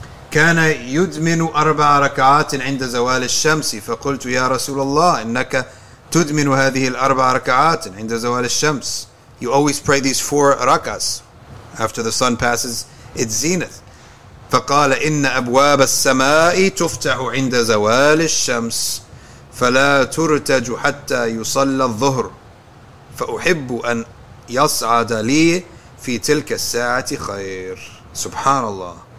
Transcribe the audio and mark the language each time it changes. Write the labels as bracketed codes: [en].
[ar] كان يدمن أربع ركعات عند زوال الشمس فقلت يا رسول الله إنك تدمن هذه الأربع ركعات عند زوال الشمس. [en] You always pray these four rakas after the sun passes its zenith. [ar] فقال إن أبواب السماء تفتح عند زوال الشمس فلا ترتج حتى يصلى الظهر فأحب أن يصعد لي في تلك الساعة خير. سبحان الله.